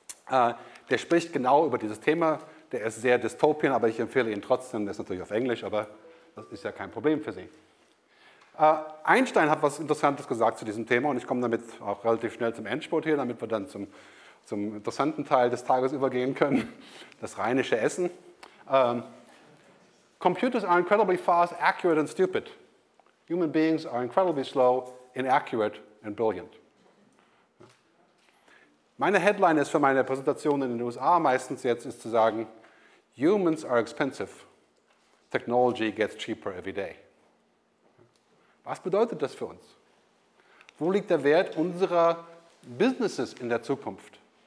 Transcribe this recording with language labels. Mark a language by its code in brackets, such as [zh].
[de] Der spricht genau über dieses Thema. Der ist sehr dystopisch, aber ich empfehle ihn trotzdem. Der ist natürlich auf Englisch, aber Das ist ja kein Problem für Sie. Einstein hat was Interessantes gesagt zu diesem Thema und ich komme damit auch relativ schnell zum Endspurt hier, damit wir dann zum interessanten Teil des Tages übergehen können, das rheinische Essen. [en] Computers are incredibly fast, accurate and stupid. Human beings are incredibly slow, inaccurate and brilliant. [de] Meine Headline ist für meine Präsentation in den USA meistens jetzt, ist zu sagen, [en] humans are expensive, technology gets cheaper every day. [de] Was bedeutet das für uns? Wo liegt der Wert unserer Businesses in der Zukunft?